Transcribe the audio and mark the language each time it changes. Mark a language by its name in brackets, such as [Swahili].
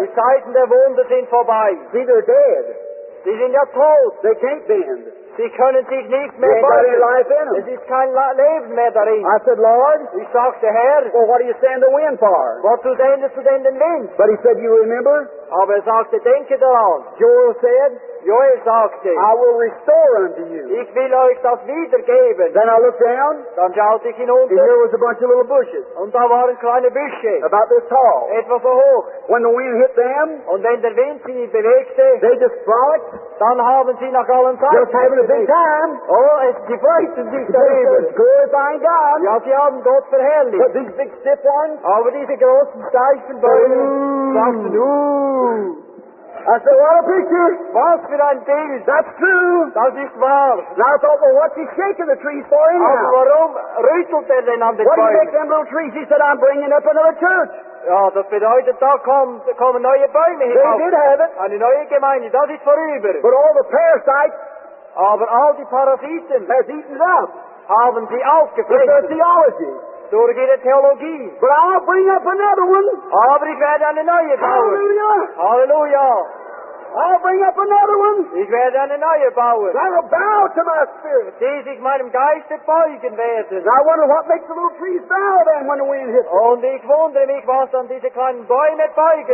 [German] Die Zeiten der Wunder sind vorbei. [English] See, they're dead. [German] Sie sind ja tot. [English] They can't bend. [German] Sie können sich nicht mehr bauen. Es ist kein Leben mehr darin. [English] I said, Lord. [German] Ich sagte, Herr. [English] Well, what do you stand the wind for? [German] Was sendest du denn den Wind? [English] But he said, you remember? [German] Aber sagte, denke daran. [English] Joel said. [German] Joel sagte. [English] I will restore unto you. [German] Ich will euch das wiedergeben. [English] Then I looked down. [German] Dann schaute ich hinunter. [English] And there was a bunch of little bushes. [German] Und da waren kleine Büsche. [English] About this tall. [German] Etwa so hoch. [English] When the wind hit them. [German] Und wenn der Wind sie bewegte. [English] They just frolicked. [German] Dann haben sie nach allen Seiten. [English] Big time. Oh, it's [German] gefreuten sich darüber. [English] Glorifying God. [German] Ja, sie haben Gott verherrlicht. [English] But these big stiff ones. [German] Aber diese großen steifen Bäume. Sagten, ooh. [English] I said, what a picture! [German] Was für ein Bild! [English] That's true! [German] Das ist wahr! [English] Now I thought, well, what's he shaking the trees for anyhow? [German] Aber warum rüttelt er denn an den Bäumen? [English] What do you make them little trees? He said, I'm bringing up another church! [German] Ja, das bedeutet, da kommen neue Bäume hin. [English] They did have it! [German] Eine neue Gemeinde, das ist vorüber! [English] But all the parasites! [German] Aber all die Parasiten! [English] Has eaten up! [German] Haben sie aufgefressen! [English] It's their theology! [German] Durch ihre Theologie. [English] But I'll bring up another one. [German] Aber ich werde eine neue bauen. [English] Hallelujah. [German] Hallelujah. [English] I'll bring up another one. [German] Ich werde eine neue bauen. [English] I will bow to my spirit. [German] Die sich meinem Geist beugen werden. [English] I wonder what makes the little trees bow then when the wind hits them. [German] Und ich wundere mich, was dann diese kleinen Bäume beugen.